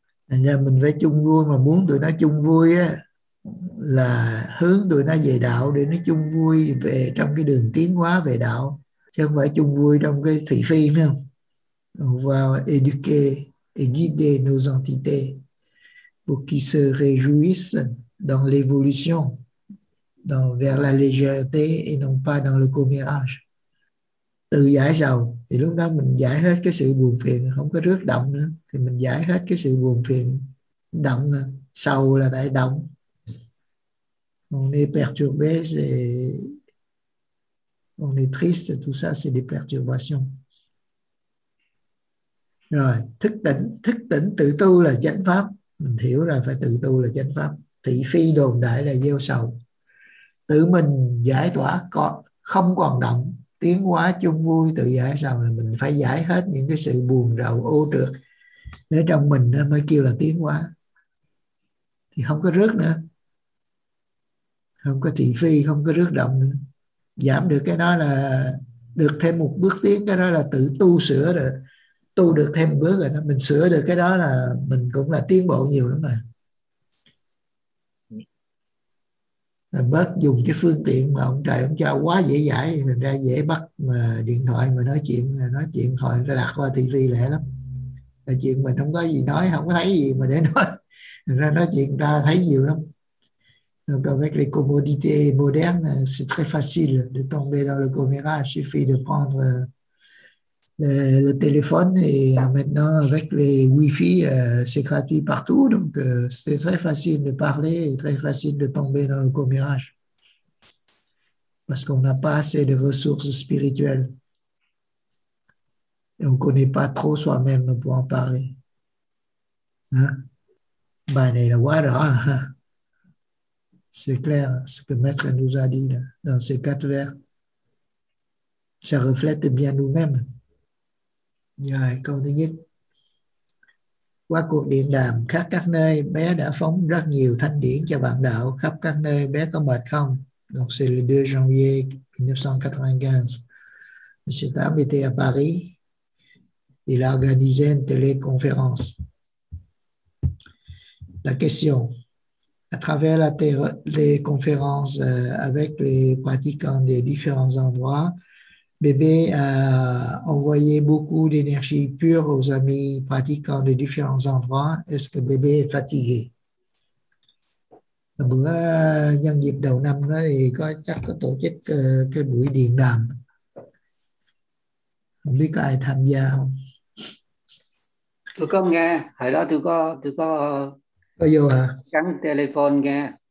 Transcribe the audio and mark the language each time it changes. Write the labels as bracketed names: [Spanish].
[Vietnamese] Thành ra mình phải chung vui, mà muốn tụi nó chung vui á, là hướng tụi nó về đạo để nó chung vui về trong cái đường tiến hóa về đạo, chứ không phải chung vui trong cái thị phi, phải không? [French] On va éduquer et guider nos entités pour qu'ils se réjouissent dans l'évolution, dans, vers la légèreté et non pas dans le commérage. [Vietnamese] Từ giải sầu, thì lúc đó mình giải hết cái sự buồn phiền, không có rước động nữa, thì mình giải hết cái sự buồn phiền, động, sầu là tại động. [French] On est perturbé, c'est... on est triste, tout ça, c'est des perturbations. [Vietnamese] Rồi, thức tỉnh tự tu là chánh pháp. Mình hiểu rồi, phải tự tu là chánh pháp. Thị phi đồn đại là gieo sầu. Tự mình giải tỏa, không còn động, tiến hóa chung vui, tự giải sầu, là mình phải giải hết những cái sự buồn rầu ô trược để trong mình mới kêu là tiến hóa. Thì không có rước nữa. Không có thị phi, không có rước động nữa. Giảm được cái đó là được thêm một bước tiến, cái đó là tự tu sửa rồi. Tu được thêm một bước rồi đó, mình sửa được cái đó là mình cũng là tiến bộ nhiều lắm mà. Bớt dùng cái phương tiện mà ông trời ông cho quá dễ dãi, thành ra dễ bắt mà điện thoại mà nói chuyện thoại ra đặt qua TV lẹ lắm. Là chuyện mình không có gì nói, không có thấy gì mà để nói. Thành ra nói chuyện ta thấy nhiều lắm. [French] Donc avec les commodités modernes, c'est très facile de tomber dans le commérage, il suffit de prendre... le téléphone et maintenant avec les Wi-Fi c'est gratuit partout, donc c'est très facile de parler et très facile de tomber dans le commérage parce qu'on n'a pas assez de ressources spirituelles et on connaît pas trop soi-même pour en parler. Ben il y a là, c'est clair ce que Maître nous a dit là, dans ces quatre vers, ça reflète bien nous-mêmes. [Vietnamese] Rồi, câu thứ nhất. Qua cuộc điện đàm khắp các nơi, bé đã phóng rất nhiều thanh điển cho bạn đạo khắp các nơi. Bé có mệt không? [French] Donc, c'est le 2 janvier 1995. Monsieur Tam était à Paris. Il a organisé une téléconférence. La question. À travers la téléconférence avec les pratiquants des différents endroits, bébé a envoyé beaucoup d'énergie pure aux amis pratiquants de différents endroits. Est-ce que bébé est fatigué? [Vietnamese] Bữa nhân dịp đầu năm đó thì có chắc có tổ chức cái buổi điện đàm. Không biết có ai tham gia không? Tôi có nghe. Hồi đó tôi có. Có vô hả? Gắn telephone nghe.